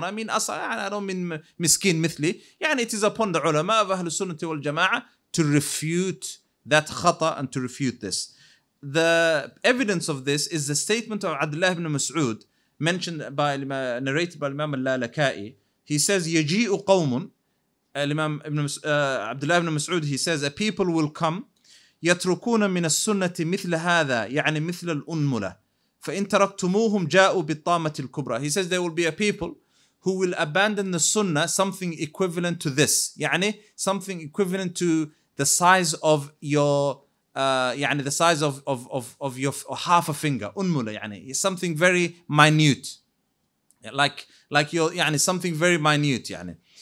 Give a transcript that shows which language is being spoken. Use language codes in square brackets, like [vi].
[en] What I mean, us, I don't mean [ar] مسكين مثلي, [en] يعني it is upon the علماء of أهل السنة والجماعة to refute that خطأ and to refute this. The evidence of this is the statement of عبد الله بن مسعود mentioned by, narrated by Imam اللالكائي. [ar] He says يجيء قوم, الإمام ابن عبد الله بن مسعود, [en] he says a people will come [ar] يتركون من السنة مثل هذا, يعني مثل الأنملة, فإن تركتموهم جاءوا بالطامة الكبرى. [en] He says there will be a people who will abandon the sunnah, something equivalent to this, يعني something equivalent to the size of your يعني the size of your half a finger, أنملة, يعني something very minute, like your, يعني something very minute, يعني.